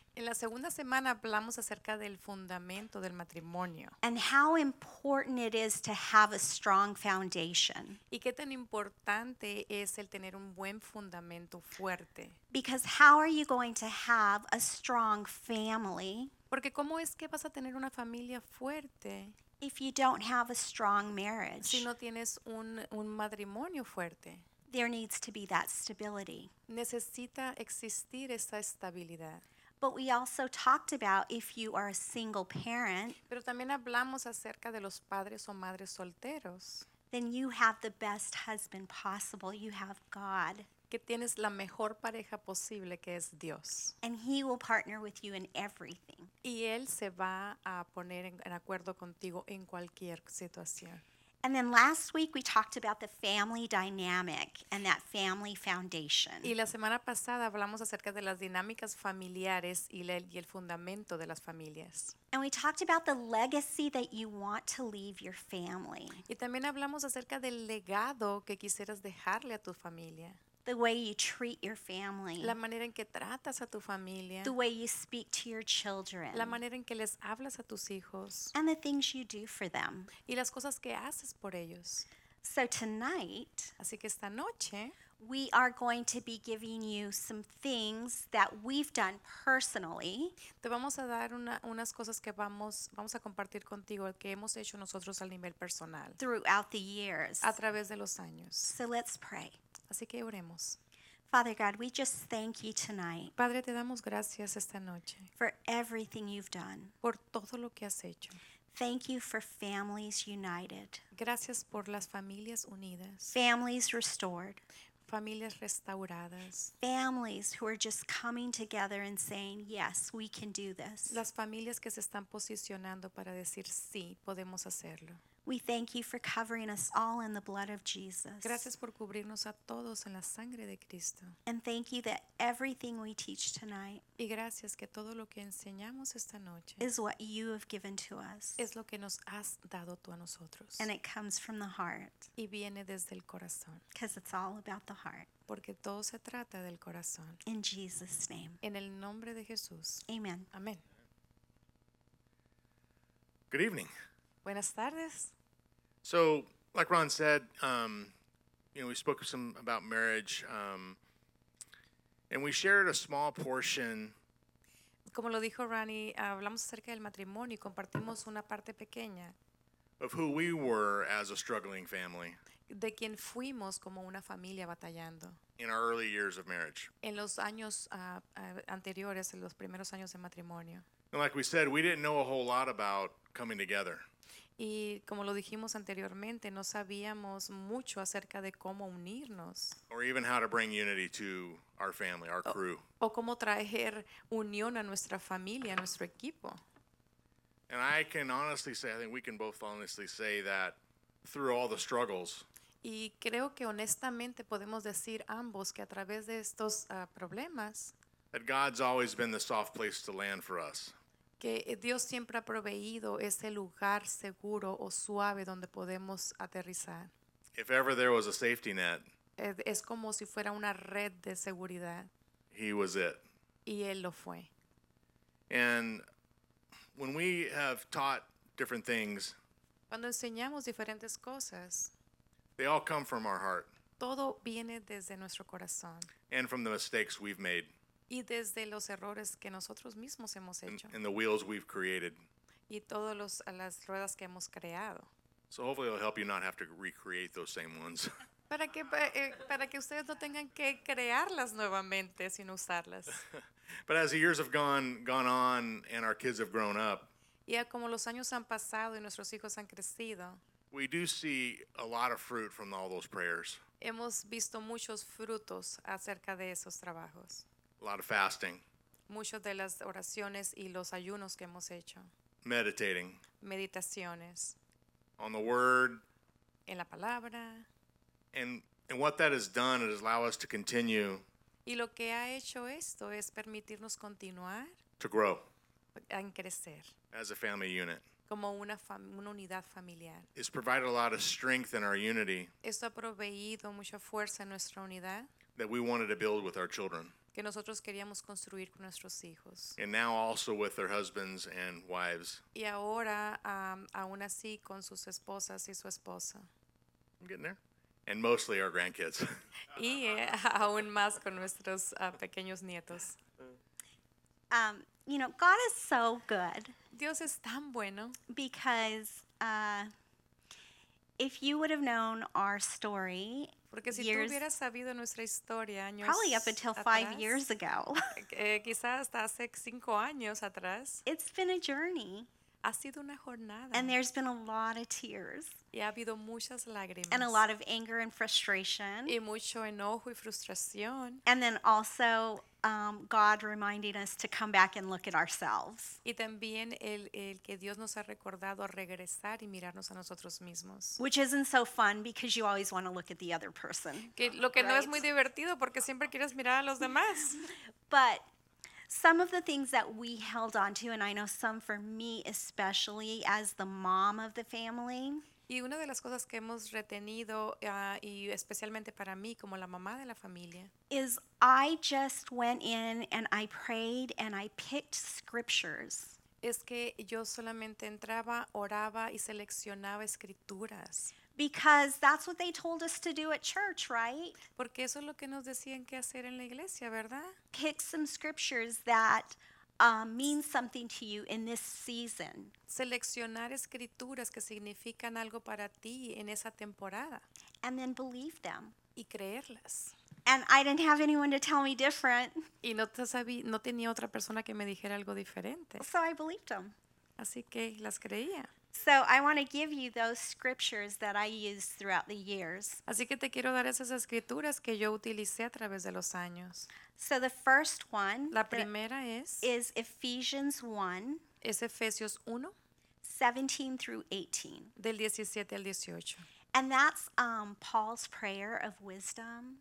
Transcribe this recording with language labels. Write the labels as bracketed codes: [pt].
[es] En la segunda semana hablamos acerca del fundamento del matrimonio. [en] And how important it is to have a strong foundation. [es] Y qué tan importante es el tener un buen fundamento fuerte. [en] Because how are you going to have a strong family? [es] Porque cómo es que vas a tener una familia fuerte [en] if you don't have a strong marriage? [es] Si no tienes un matrimonio fuerte. [en] There needs to be that stability. [es] Necesita existir esa estabilidad. [en] But we also talked about if you are a single parent. [es] Pero también hablamos acerca de los padres o madres solteros. [en] Then you have the best husband possible. You have God. [es] Que tienes la mejor pareja posible, que es Dios. [en] And he will partner with you in everything. [es] Y él se va a poner en acuerdo contigo en cualquier situación. [en] And then last week we talked about the family dynamic and that family foundation. [es] Y la semana pasada hablamos acerca de las dinámicas familiares y el fundamento de las familias. [en] And we talked about the legacy that you want to leave your family. [es] Y también hablamos acerca del legado que quisieras dejarle a tu familia. [en] The way you treat your family. [es] La manera en que tratas a tu familia. [en] The way you speak to your children. [es] La manera en que les hablas a tus hijos. [en] And the things you do for them. [es] Y las cosas que haces por ellos. [en] So tonight, [es] así que esta noche, [en] we are going to be giving you some things that we've done personally. [es] Te vamos a dar unas cosas que vamos a compartir contigo que hemos hecho nosotros al nivel personal. [en] Throughout the years. [es] A través de los años. [en] So let's pray. [es] Así que oremos. [en] Father God, we just thank you tonight. [es] Padre, te damos gracias esta noche. [en] For everything you've done. [es] Por todo lo que has hecho. [en] Thank you for families united. [es] Gracias por las familias unidas. [en] Families restored. [es] Familias restauradas. [en] Families who are just coming together and saying, yes, we can do this. [es] Las familias que se están posicionando para decir, sí, podemos hacerlo. [en] We thank you for covering us all in the blood of Jesus. [es] Gracias por cubrirnos a todos en la sangre de Cristo. [en] And thank you that everything we teach tonight. [es] Y gracias que todo lo que enseñamos esta noche. [en] Is what you have given to us. [es] Es lo que nos has dado tú a nosotros. [en] And it comes from the heart. [es] Y viene desde el corazón. [en] Because it's all about the heart. [es] Porque todo se trata del corazón. [en] In Jesus' name. [es] En el nombre de Jesús. [en] Amen. [es] Amen. [en] Good evening. [es] Buenas tardes. [en] So, like Ron said, we spoke some about marriage, and we shared a small portion. [es] Como lo dijo Ronnie, hablamos acerca del matrimonio y compartimos una parte pequeña. [en] Of who we were as a struggling family. [es] De quien fuimos como una familia batallando. [en] In our early years of marriage. [es] En los años anteriores, en los primeros años de matrimonio. [en] And like we said, we didn't know a whole lot about coming together. [es] Y como lo dijimos anteriormente, no sabíamos mucho acerca de cómo unirnos. [en] Or even how to bring unity to our family, our crew. [es] O cómo traer unión a nuestra familia, a nuestro equipo. [en] And I can honestly say, I think we can both honestly say that through all the struggles. [es] Y creo que honestamente podemos decir ambos que a través de estos problemas. [en] That God's always been the soft place to land for us. [es] Que Dios siempre ha proveído ese lugar seguro o suave donde podemos aterrizar. [en] If ever there was a safety net, [es] es como si fuera una red de seguridad. [en] He was it. [es] Y él lo fue. [en] And when we have taught different things, [es] cuando enseñamos diferentes cosas, [en] they all come from our heart. [es] Todo viene desde nuestro corazón. [en] And from the mistakes we've made. [es] Y desde los errores que nosotros mismos hemos hecho. [en] And the wheels we've created. [es] Y todas las ruedas que hemos creado. [en] So hopefully it'll help you not have to recreate those same ones. [es] Para que ustedes no tengan que crearlas nuevamente, sino usarlas. [en] But as the years have gone on and our kids have grown up, [es] y a como los años han pasado y nuestros hijos han crecido, [en] we do see a lot of fruit from all those prayers. [es] Hemos visto muchos frutos acerca de esos trabajos. [en] A lot of fasting. [es] Muchos de las oraciones y los ayunos que hemos hecho. [en] Meditating. [es] Meditaciones. [en] On the word. [es] En la palabra. [en] And what that has done is allow us to continue. [es] Y lo que ha hecho esto es permitirnos continuar. [en] To grow. [es] En crecer. [en] As a family unit. [es] Como una unidad familiar. [en] It's provided a lot of strength in our unity. [es] Esto ha proveído mucha fuerza en nuestra unidad. [en] That we wanted to build with our children. [es] Que nosotros queríamos construir con nuestros hijos. [en] And now also with their husbands and wives. [es] Y ahora, aún así, con sus esposas y su esposa. [en] I'm getting there. And mostly our grandkids. [es] Y aún más con nuestros pequeños nietos. [en] You know, God is so good. [es] Dios es tan bueno. [en] Because if you would have known our story, [es] porque si [en] years, [es] tú hubieras sabido nuestra historia años [en] probably up until [es] atrás, [en] 5 years ago, [es] quizás hasta hace 5 años atrás, [en] it's been a journey. [es] Ha sido una jornada. [en] And there's been a lot of tears. [es] Y ha habido muchas lágrimas. [en] And a lot of anger and frustration. [es] Y mucho enojo y frustración. [en] And then also God reminding us to come back and look at ourselves. [es] Y también el que Dios nos ha recordado a regresar y mirarnos a nosotros mismos. [en] Which isn't so fun because you always want to look at the other person. [es] Que lo que [en] right? [es] No es muy divertido porque siempre quieres mirar a los demás. [en] But some of the things that we held on to, and I know some for me especially as the mom of the family. [es] Y una de las cosas que hemos retenido, y especialmente para mí como la mamá de la familia, [en] is I just went in and I prayed and I picked scriptures. [es] Es que yo solamente entraba, oraba y seleccionaba escrituras. [en] Because that's what they told us to do at church, right? [es] Porque eso es lo que nos decían que hacer en la iglesia, ¿verdad? [en] Pick some scriptures that mean something to you in this season. [es] Seleccionar escrituras que significan algo para ti en esa temporada. [en] And then believe them. [es] Y creerlas. [en] And I didn't have anyone to tell me different. [es] Y no tenía otra persona que me dijera algo diferente. [en] So I believed them. [es] Así que las creía. [en] So I want to give you those scriptures that I used throughout the years. [es] Así que te quiero dar esas escrituras que yo utilicé a través de los años. [en] So the first one, [es] la primera [en] is Ephesians 1. [es] Es Efesios 1. [en] 17 through 18. [es] Del 17 al 18. [en] And that's Paul's prayer of wisdom.